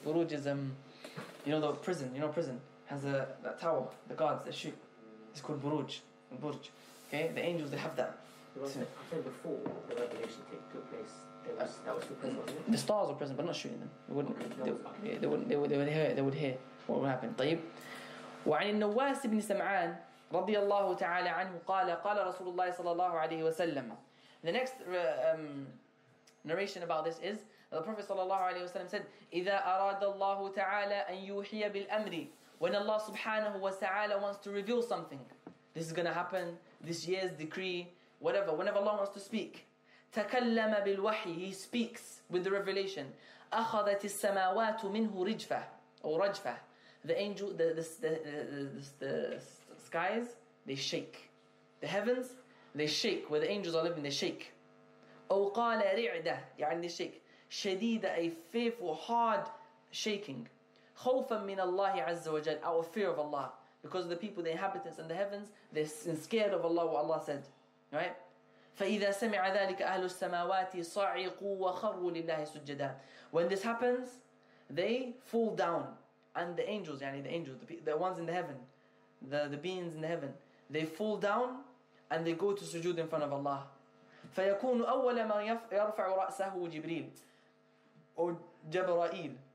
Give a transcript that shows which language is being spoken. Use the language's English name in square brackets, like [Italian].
[English] Buruj is, prison. It has that tower, the guards, the shoot. It's called buruj. Buruj. Okay, the angels, they have that. I said before the revelation took place, that was the prison, wasn't it? The stars were present, but not shooting them. They would hear what would happen. طيب. [Arabic] وعن النواس بن سمعان رضي الله تعالى عنه قال قال رسول الله صلى الله عليه وسلم. [English] The next narration about this is the Prophet صلى الله عليه وسلم said, [Arabic] إذا أراد الله تعالى أن يوحي بالأمر. [English] When Allah subhanahu wa ta'ala wants to reveal something, this is going to happen, this year's decree, whatever, whenever Allah wants to speak, [Arabic] تكلم بالوحي, [English] he speaks with the revelation. [Arabic] أخذت السماوات منه رجفة أو رجفة. [English] The angel, the skies, they shake. The heavens, they shake. Where the angels are living, they shake. [Arabic] أو قال رعدة, يعني [English] they shake. شديدة, a fearful, hard shaking. [Arabic] خوفا من الله عز وجل, [English] out of fear of Allah. Because of the people, the inhabitants and the heavens, they're scared of Allah, what Allah said. Right? [Arabic] فإذا سمع ذلك أهل السماوات صعقوا وخروا لله سجدا. [English] When this happens, they fall down. And the angels, yani the angels, the ones in the heaven, the beings in the heaven, they fall down and they go to sujood in front of Allah. [Arabic] فَيَكُونُ أَوَّلَ مَنْ يَرْفَعُ رَأْسَهُ جِبْرِيلُ [English] or Jabra'il.